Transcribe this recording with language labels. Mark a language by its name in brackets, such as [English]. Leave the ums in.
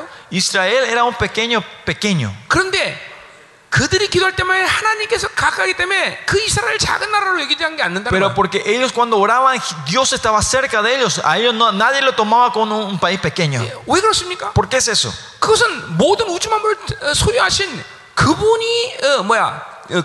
[Spanish] Israel era un pequeño, pequeño. [Korean] 그런데, 그들이 기도할 때만 하나님께서 가까이 때문에 그 이스라엘 작은 나라로 얘기한 게 아닌다. [Spanish] Pero porque ellos cuando oraban, Dios estaba cerca de ellos. A ellos no, nadie lo tomaba como un país pequeño. [Korean] 왜 그렇습니까? [Spanish] ¿Por qué es eso? [Korean] 그것은 모든 우주만물 소유하신 그분이 어, 뭐야?